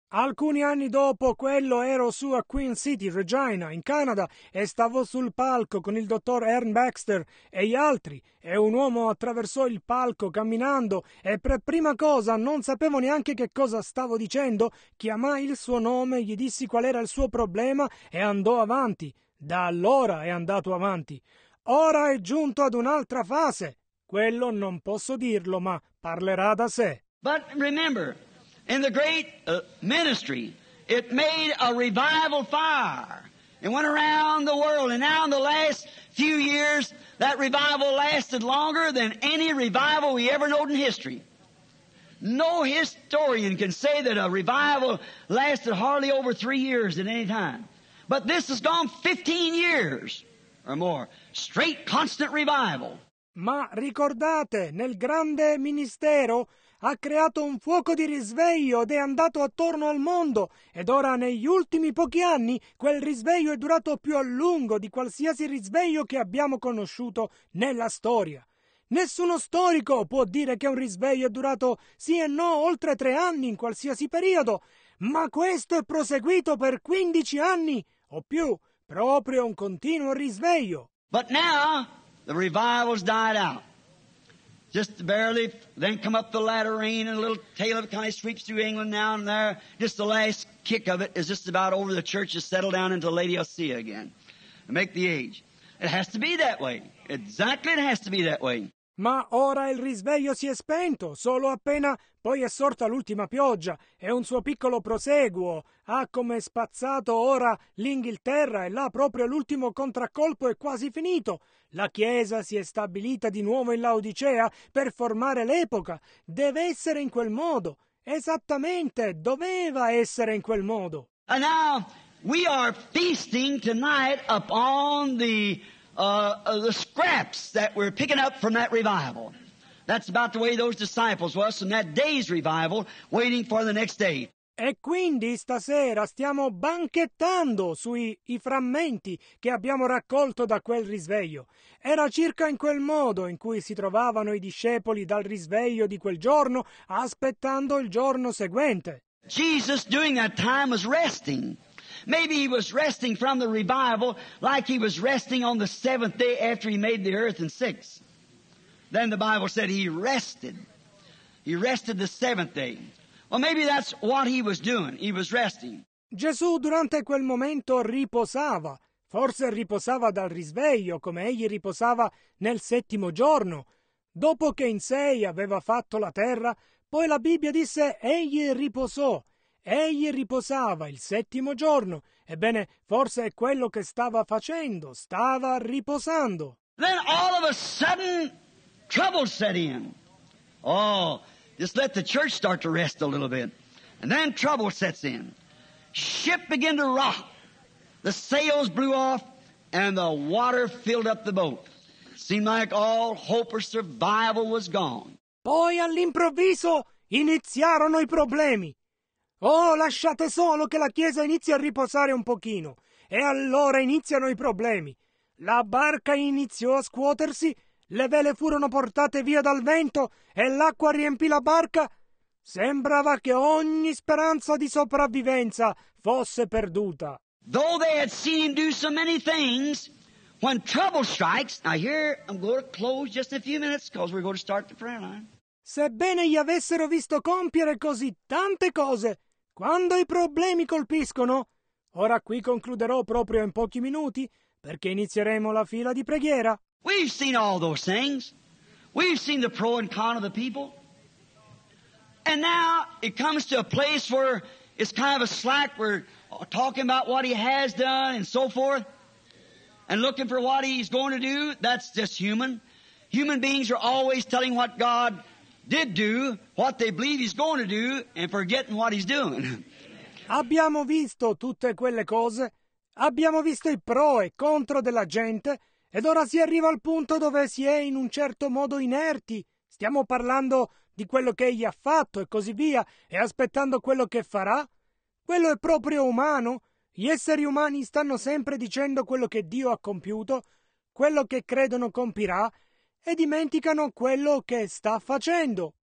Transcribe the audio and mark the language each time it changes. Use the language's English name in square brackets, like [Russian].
[Italian] Alcuni anni dopo quello ero su a Queen City, Regina, in Canada, e stavo sul palco con il dottor Ern Baxter e gli altri, e un uomo attraversò il palco camminando, e per prima cosa non sapevo neanche che cosa stavo dicendo, chiamai il suo nome, gli dissi qual era il suo problema e andò avanti. Da allora è andato avanti. ora è giunto ad un'altra fase. Quello non posso dirlo, ma parlerà da sé. [English] But remember, in the great ministry, it made a revival fire. It went around the world, and now in the last few years, that revival lasted longer than any revival we ever know in history. No historian can say that a revival lasted hardly over 3 years at any time. But this has gone 15 years or more, straight constant revival. [Italian] Ma ricordate, nel grande ministero ha creato un fuoco di risveglio ed è andato attorno al mondo. Ed ora, negli ultimi pochi anni, quel risveglio è durato più a lungo di qualsiasi risveglio che abbiamo conosciuto nella storia. Nessuno storico può dire che un risveglio è durato sì e no oltre 3 anni in qualsiasi periodo, ma questo è proseguito per 15 anni o più, proprio un continuo risveglio. [English] But now the revival's died out. Just barely, then come up the latter rain and a little tail of it kind of sweeps through England now and there. Just the last kick of it is just about over, the church has settled down into Laodicea again to make the age. It has to be that way. Exactly, it has to be that way. [Italian] Ma ora il risveglio si è spento, solo appena poi è sorta l'ultima pioggia e un suo piccolo proseguo ha come spazzato ora l'Inghilterra, e là proprio l'ultimo contraccolpo è quasi finito. La Chiesa si è stabilita di nuovo in Laodicea per formare l'epoca. Deve essere in quel modo. Esattamente, doveva essere in quel modo. [English] And now we are feasting tonight upon the scraps that we're picking up from that revival. That's about the way those disciples was in that day's revival, waiting for the next day. [Italian] E quindi stasera stiamo banchettando sui frammenti che abbiamo raccolto da quel risveglio. Era circa in quel modo in cui si trovavano i discepoli dal risveglio di quel giorno, aspettando il giorno seguente. [English] Jesus, during that time, was resting. Maybe he was resting from the revival like he was resting on the seventh day after he made the earth in 6. Then the Bible said he rested. He rested the seventh day. Well, maybe that's what he was doing. He was resting. [Italian] Gesù durante quel momento riposava. Forse riposava dal risveglio, come egli riposava nel settimo giorno. Dopo che in 6 aveva fatto la terra, poi la Bibbia disse egli riposò. Egli riposava il settimo giorno. Ebbene, forse è quello che stava facendo. Stava riposando. [English] Then all of a sudden, trouble set in. Oh, just let the church start to rest a little bit. And then trouble sets in. Ship began to rock. The sails blew off and the water filled up the boat. Seemed like all hope or survival was gone. [Italian] Poi all'improvviso iniziarono i problemi. Oh, lasciate solo che la chiesa inizi a riposare un pochino. E allora iniziano i problemi. La barca iniziò a scuotersi, le vele furono portate via dal vento e l'acqua riempì la barca. Sembrava che ogni speranza di sopravvivenza fosse perduta. [English] Though they had seen him do so many things, when trouble strikes, now here I'm going to close just a few minutes because we're going to start the prayer line. [Italian] Sebbene gli avessero visto compiere così tante cose, quando i problemi colpiscono, ora qui concluderò proprio in pochi minuti, perché inizieremo la fila di preghiera. [English] We've seen all those things. We've seen the pro and con of the people. And now it comes to a place where it's kind of a slack. We're talking about what he has done and so forth, and looking for what he's going to do. That's just human. Human beings are always telling what God did do, what they believe he's going to do, and forgetting what he's doing. [Italian] Abbiamo visto tutte quelle cose. Abbiamo visto i pro e contro della gente. Ed ora si arriva al punto dove si è in un certo modo inerti. Stiamo parlando di quello che egli ha fatto e così via, e aspettando quello che farà. Quello è proprio umano. Gli esseri umani stanno sempre dicendo quello che Dio ha compiuto, quello che credono compirà, e dimenticano quello che sta facendo.